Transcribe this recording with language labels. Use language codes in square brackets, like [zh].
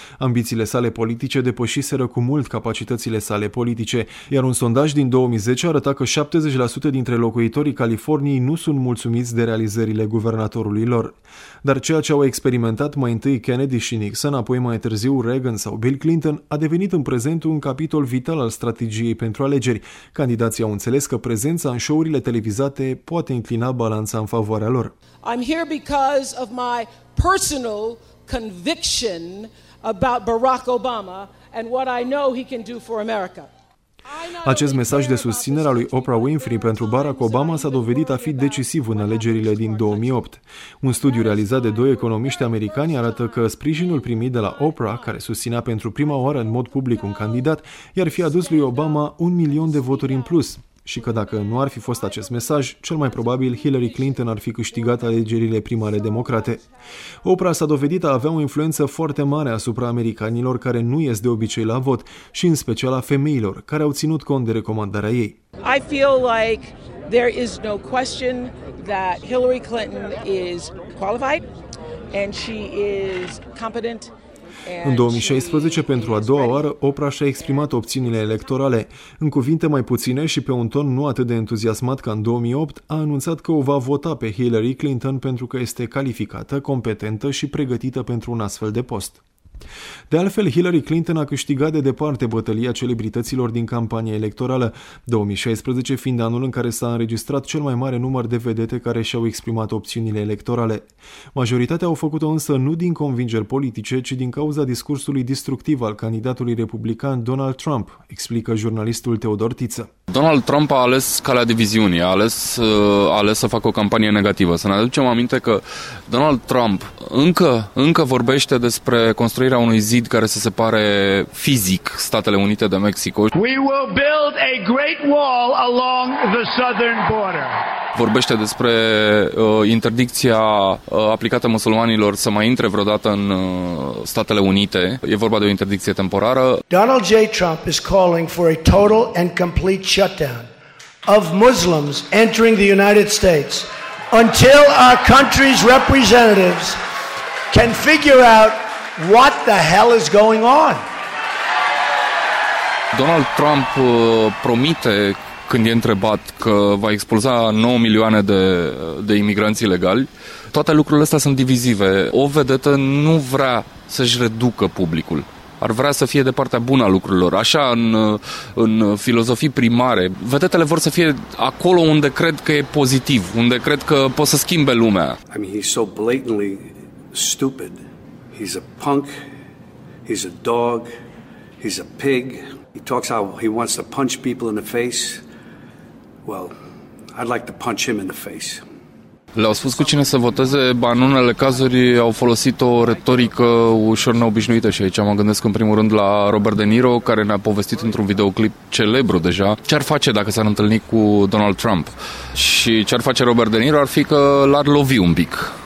[ro] Ambițiile sale politice depășiseră cu mult capacitățile sale politice, iar un sondaj din 2010 arăta că 70% dintre locuitorii Californiei nu sunt mulțumiți de realizările guvernatorului lor. Dar ceea ce au experimentat mai întâi Kennedy și Nixon, apoi mai târziu Reagan sau Bill Clinton, a devenit în prezent un capitol vital al strategiei pentru alegeri. Candidații au înțeles că prezența în show-urile televizate poate înclina balanța în favoarea lor. [en] I'm here because of my personal conviction about Barack Obama and what I know he can do for America. [ro] Acest mesaj de susținere a lui Oprah Winfrey pentru Barack Obama s-a dovedit a fi decisiv în alegerile din 2008. Un studiu realizat de 2 economiști americani arată că sprijinul primit de la Oprah, care susținea pentru prima oară în mod public un candidat, i-ar fi adus lui Obama 1 milion de voturi în plus. Și că dacă nu ar fi fost acest mesaj, cel mai probabil Hillary Clinton ar fi câștigat alegerile primare democrate. Oprah s-a dovedit a avea o influență foarte mare asupra americanilor care nu ies de obicei la vot și în special a femeilor, care au ținut cont de recomandarea ei. [en] I feel like there is no question that Hillary Clinton is qualified and she is competent. [ro] În 2016, pentru a doua oară, Oprah și-a exprimat opțiunile electorale. În cuvinte mai puține și pe un ton nu atât de entuziasmat ca în 2008, a anunțat că o va vota pe Hillary Clinton pentru că este calificată, competentă și pregătită pentru un astfel de post. De altfel, Hillary Clinton a câștigat de departe bătălia celebrităților din campania electorală, 2016 fiind anul în care s-a înregistrat cel mai mare număr de vedete care și-au exprimat opțiunile electorale. Majoritatea au făcut-o însă nu din convingeri politice, ci din cauza discursului destructiv al candidatului republican Donald Trump, explică jurnalistul Teodor Tiță. Donald Trump a ales calea diviziunii, a ales să facă o campanie negativă. Să ne aducem aminte că Donald Trump încă vorbește despre construirea construirea unui zid care să separe fizic Statele Unite de Mexico. [en] We will build a great wall along the southern border. [ro] Vorbește despre interdicția aplicată musulmanilor să mai intre vreodată în Statele Unite. E vorba de o interdicție temporară. [en] Donald J. Trump is calling for a total and complete shutdown of Muslims entering the United States until our country's representatives can figure out what the hell is going on. [ro] Donald Trump promite, când e întrebat, că va expulza 9 milioane de imigranți ilegali. Toate lucrurile astea sunt divizive. O vedetă nu vrea să-și reducă publicul. Ar vrea să fie de partea bună a lucrurilor. Așa, în filozofii primare, vedetele vor să fie acolo unde cred că e pozitiv, unde cred că pot să schimbe lumea. [en] I mean, he's so blatantly stupid. He's a punk, he's a dog, he's a pig. He talks how he wants to punch people in the face. Well, I'd like to punch him in the face. [ro] Le-au spus cu cine să voteze, ba în unele cazuri au folosit o retorică ușor neobișnuită și aici mă gândesc în primul rând la Robert De Niro, care ne-a povestit într-un videoclip celebru deja ce ar face dacă s-ar întâlni cu Donald Trump. Și ce ar face Robert De Niro ar fi că l-ar lovi un pic.